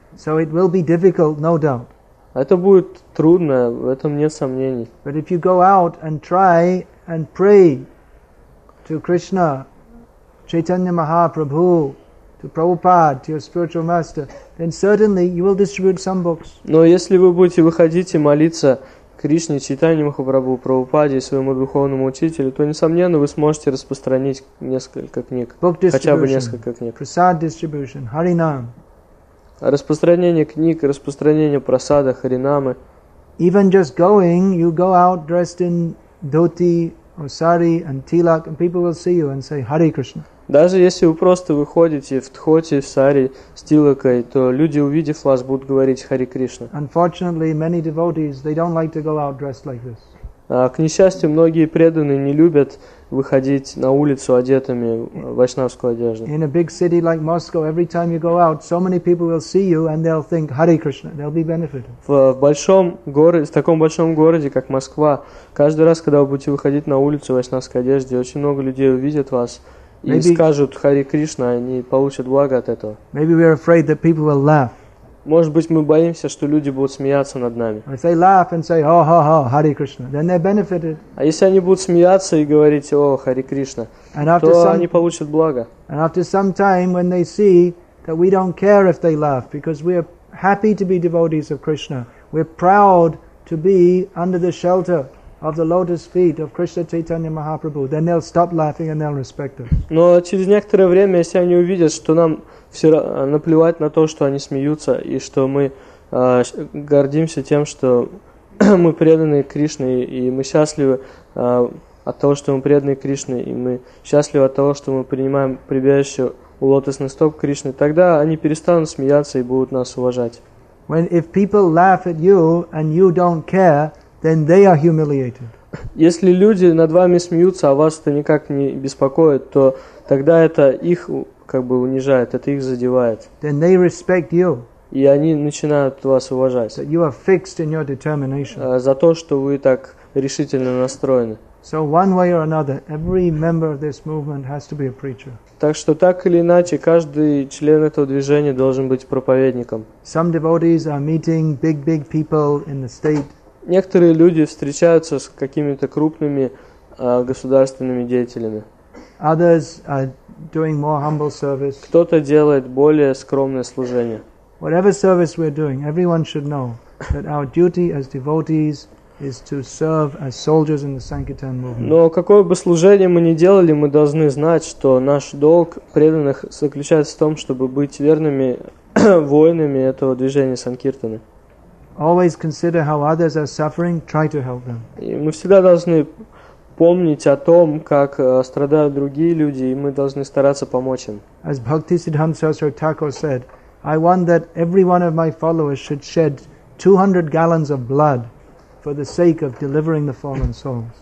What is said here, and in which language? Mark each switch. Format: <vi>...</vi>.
<en>So it will be difficult, no doubt.</en> <ru>Это будет трудно, в этом нет сомнений.</ru> <en>But if you go out and try and pray to Krishna, Chaitanya Mahaprabhu, to Prabhupada, to your spiritual master, then certainly you will distribute some books.</en> <ru>Но если вы будете выходить и молиться Кришне, Чайтанья Махапрабху, Прабхупаде и своему духовному учителю, то, несомненно, вы сможете распространить несколько книг, хотя бы несколько книг.</ru> <en>Prasad distribution, Харинам.</en> <ru>Распространение книг, распространение прасада, Харинамы.</ru> <en>Even just going, you go out dressed in dhoti, or sari, and tilak, and people will see you and say, Hare Krishna.</en> <ru>Даже если вы просто выходите в дхоти, в сари, с тилакой, то люди, увидев вас, будут говорить Хари Кришна.</ru> <en>Unfortunately, many devotees, they don't like to go out dressed like this.</en> <ru>К несчастью, многие преданные не любят выходить на улицу одетыми в вайшнавскую одежду.</ru> <en>In a big city like Moscow, every time you go out, so many people will see you and they'll think Hare Krishna, they'll be benefited.</en> <ru>В таком большом городе, как Москва, каждый раз, когда вы будете выходить на улицу в вайшнавской одежде, очень много людей увидят вас. И</ru> <en>maybe,</en> <ru>скажут Хари Кришна, они получат благо от этого.</ru> <en>Maybe we are afraid that people will laugh.</en> <ru>Может быть, мы боимся, что люди будут смеяться над нами.</ru> <en>If they laugh and say, "Oh, ha, ha, Hare Krishna," then they're benefited.</en> <ru>А если они будут смеяться и говорить, "О, Хари Кришна," то они получат благо.</ru> <en>And after some time, when they see that we don't care if they laugh, because we are happy to be devotees of Krishna, we're proud to be under the shelter of the lotus feet of Krishna Chaitanya Mahaprabhu, then they'll stop laughing and they'll respect us.</en> <ru>Но через некоторое время, если они увидят, что нам все наплевать на то, что они смеются, и что мы гордимся тем, что мы преданы Кришне, и мы счастливы от того, что мы преданы Кришне, и мы счастливы от того, что мы принимаем прибежище у лотосных стоп Кришны, тогда они перестанут смеяться и будут нас уважать.</ru> <en>When if people laugh at you and you don't care, then they are humiliated.</en> <ru>Если люди над вами смеются, а вас это никак не беспокоит, то тогда это их как бы унижает, это их задевает.</ru> <en>Then they respect you.</en> <ru>И они начинают вас уважать.</ru> <en>That you are fixed in your determination.</en> <ru>За то, что вы так решительно настроены.</ru> <en>So one way or another, every member of this movement has to be a preacher.</en> <ru>Так что так или иначе, каждый член этого движения должен быть проповедником.</ru> <en>Some devotees are meeting big people in the state.</en> <ru>Некоторые люди встречаются с какими-то крупными государственными деятелями.</ru> <en>Others are doing more humble service.</en> <ru>Кто-то делает более скромное служение.</ru> <en>Whatever service we're doing, everyone should know that our duty as devotees is to serve as soldiers in the Sankirtan movement.</en> <ru>Но какое бы служение мы ни делали, мы должны знать, что наш долг преданных заключается в том, чтобы быть верными воинами этого движения Санкиртаны.</ru> <en>Always consider how others are suffering, try to help them.</en> <ru>И мы всегда должны помнить о том, как страдают другие люди, и мы должны стараться помочь им.</ru> <en>As Bhaktisiddhanta Saraswati Thakur said, I want that every one of my followers should shed 200 gallons of blood for the sake of delivering the fallen souls.</en>